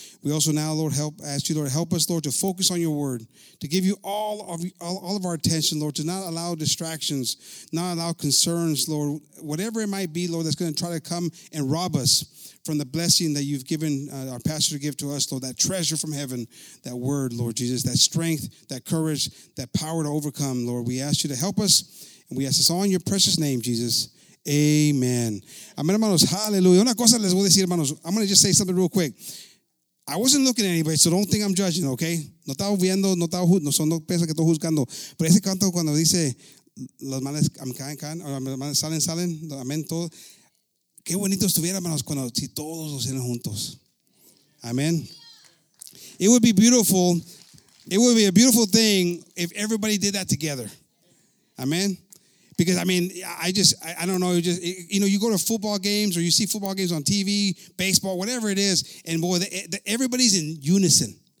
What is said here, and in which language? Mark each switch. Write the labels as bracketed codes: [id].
[en] We also now, Lord, ask you, Lord, help us, Lord, to focus on your word, to give you all of our attention, Lord, to not allow distractions, not allow concerns, Lord, whatever it might be, Lord, that's going to try to come and rob us from the blessing that you've given our pastor to give to us, Lord, that treasure from heaven, that word, Lord Jesus, that strength, that courage, that power to overcome, Lord. We ask you to help us, and we ask this all in your precious name, Jesus. [es] Amen. Amen, hermanos. Hallelujah. Una cosa les voy a decir, hermanos. [en] I'm going to just say something real quick. I wasn't looking at anybody, so don't think I'm judging, okay? [es] No estaba viendo, no estaba juzgando, no piensa que estoy juzgando. Pero ese canto cuando dice, los males salen, amén, todo. Qué bonito estuviera, hermanos, cuando si todos los eran juntos. [en] Amen. It would be beautiful. It would be a beautiful thing if everybody did that together. Amen. Because, I mean, I don't know. Just, you know, you go to football games or you see football games on TV, baseball, whatever it is, and boy, everybody's in unison.